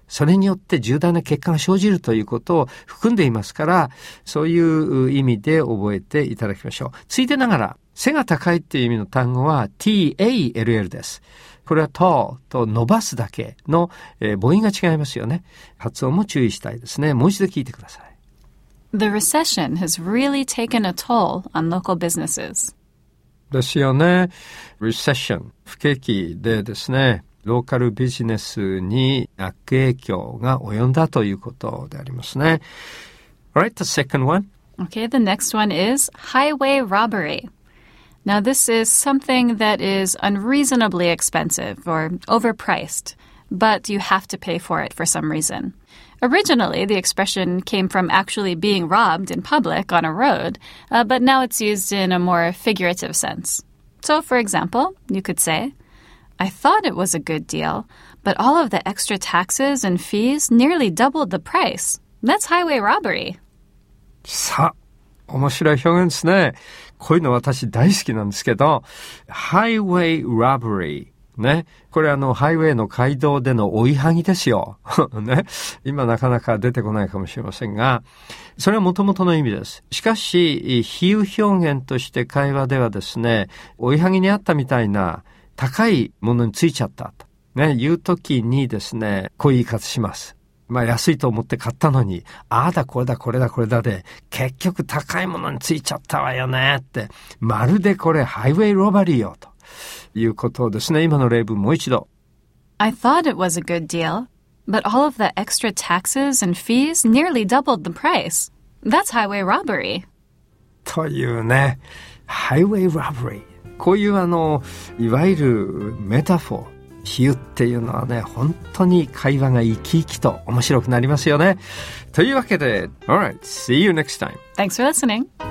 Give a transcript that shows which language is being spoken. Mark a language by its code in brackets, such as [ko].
[ja] それによって重大な結果が生じるということを含んでいますから、そういう意味で覚えていただきましょう。ついでながら、背が高いっていう意味の単語は tall です。これは tall と伸ばすだけの母音が違いますよね。発音も注意したいですね。もう一度聞いてください。 [en] The recession has really taken a toll on local businesses. [ja] ですよね。recession、不景気でですね。ローカルビジネスに悪影響が及んだということでありますね。 [en] Alright, the second one. Okay, the next one is highway robbery. Now, this is something that is unreasonably expensive or overpriced, but you have to pay for it for some reason. Originally, the expression came from actually being robbed in public on a road, but now it's used in a more figurative sense. So, for example, you could say,I thought it was a good deal, but all of the extra taxes and fees nearly doubled the price. That's highway robbery. [ja] さあ、面白い表現ですね。こういうの私大好きなんですけど、highway robbery。ね。これハイウェイの街道での追いはぎですよ。ね。今なかなか出てこないかもしれませんが、それはもともとの意味です。しかし、比喩表現として会話ではですね、追いはぎにあったみたいな、高いものについちゃったと。ね、言うときにですね、こう言い方します。まあ、安いと思って買ったのに、ああだこれだこれだこれだで、結局高いものについちゃったわよねって、まるでこれハイウェイロバリーよということですね。今の例文もう一度。 [en] I thought it was a good deal, but all of the extra taxes and fees nearly doubled the price. That's highway robbery. [ja] というね、highway robbery。こういういわゆるメタフォー。比喩っていうのはね、本当に会話が生き生きと面白くなりますよね。というわけで、 [en] Alright, see you next time. Thanks for listening.